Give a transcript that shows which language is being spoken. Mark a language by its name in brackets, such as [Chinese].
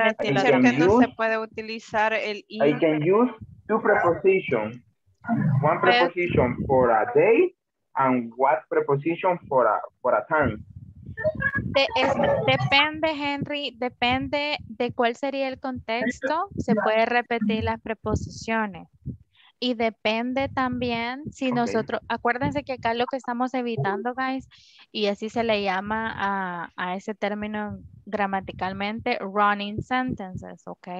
[Spanish] o sea, teacher, que no se puede utilizar el in. [English] I can use two prepositions. One preposition for a day and what preposition for a time. [Spanish] Depende, Henry, depende de cuál sería el contexto, se puede repetir las preposiciones. Y depende también si nosotros, acuérdense que acá lo que estamos evitando, guys, y así se le llama a ese término gramaticalmente, [English] running sentences, [Spanish] ¿ok?